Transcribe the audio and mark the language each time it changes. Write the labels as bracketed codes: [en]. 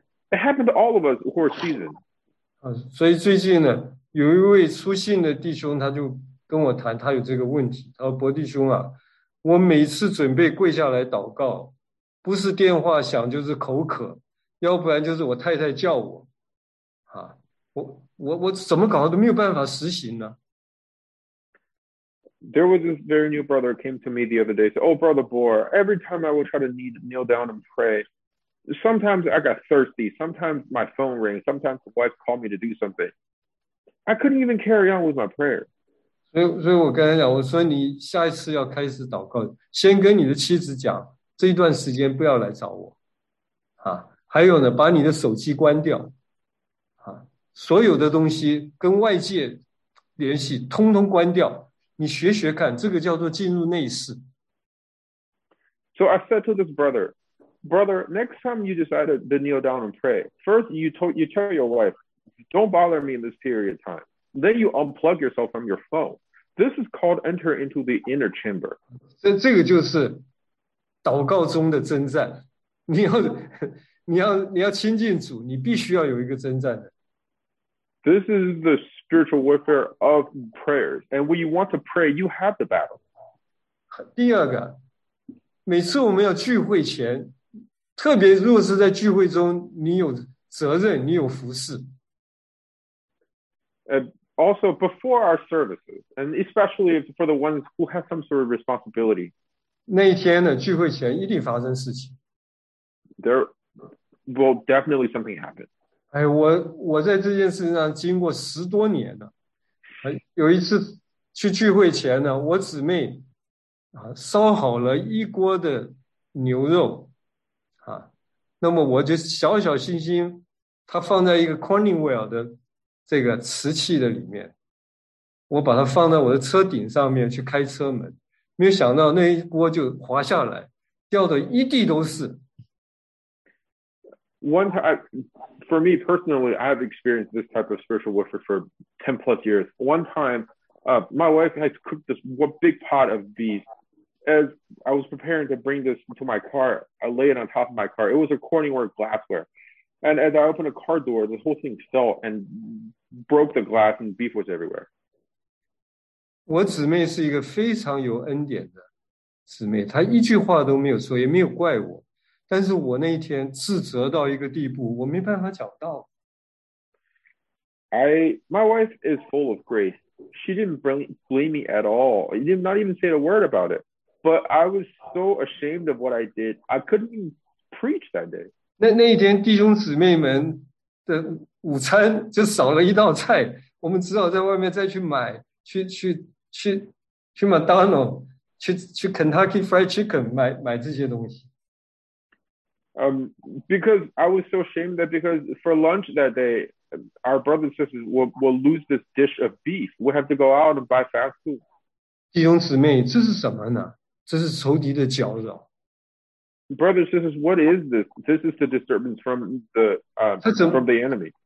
[en] It happened to all of us who are seasoned. [zh] 所以最近呢，有一位初信的弟兄他就。跟我谈，他有这个问题。他说：“伯弟兄啊，我每次准备跪下来祷告，不是电话响，就是口渴，要不然就是我太太叫我。啊，我怎么搞都没有办法实行呢。” [en] There was this very new brother came to me the other day. Said, "Oh, brother Bor, every time I would try to kneel down and pray, sometimes I got thirsty. Sometimes my phone rings. Sometimes the wife called me to do something. I couldn't even carry on with my prayer." [zh] 所以我跟他讲，我说你下一次要开始祷告，先跟你的妻子讲，这一段时间不要来找我，啊，还有呢，把你的手机关掉，啊，所有的东西跟外界联系通通关掉，你学学看，这个叫做进入内室。 [en] So I said to this brother, brother, next time you decided to kneel down and pray, first you tell your wife, don't bother me in this period of time. Then you unplug yourself from your phone. This is called enter into the inner chamber. [zh] 这个就是祷告中的征战。你要亲近主，你必须要有一个征战的。 [en] This is the spiritual warfare of prayers. And when you want to pray, you have the battle. [zh] 第二个，每次我们要聚会前，特别如果是在聚会中，你有责任，你有服事。 [en] Also, before our services, and especially for the ones who have some sort of responsibility. [zh] 那一天呢，聚会前一定发生事情。 [en] There will definitely something happen. [zh] 哎，我在这件事情上经过十多年了。有一次去聚会前呢，我姊妹啊烧好了一锅的牛肉啊，那么我就小小心心，它放在一个 Corningwell 的这个瓷器的里面，我把它放在我的车顶上面去开车门，没有想到那一锅就滑下来，掉的一地都是。 [en] One time, for me personally, I've experienced this type of spiritual warfare for 10 plus years. One time, my wife had cooked this one big pot of beef. As I was preparing to bring this to my car, I lay it on top of my car. It was a Corningwork glassware. And as I opened a car door, this whole thing fell and broke the glass and beef was everywhere. [zh] 我姊妹是一个非常有恩典的姊妹，她一句话都没有说，也没有怪我。但是我那一天自责到一个地步，我没办法讲道。 [en] My wife is full of grace. She didn't blame me at all. She did not even say a word about it. But I was so ashamed of what I did. I couldn't even preach that day. [zh] 那一天弟兄姊妹们的午餐就少了一道菜，我们只好在外面再去买，去 McDonald， 去 Kentucky Fried Chicken 买这些东西。 [en] Because I was so ashamed that because for lunch that day, our brothers and sisters will lose this dish of beef. We have to go out and buy fast food. [zh] 弟兄姊妹，这是什么呢？这是仇敌的搅扰。 [en] Brothers and sisters, what is this? This is the disturbance from the enemy.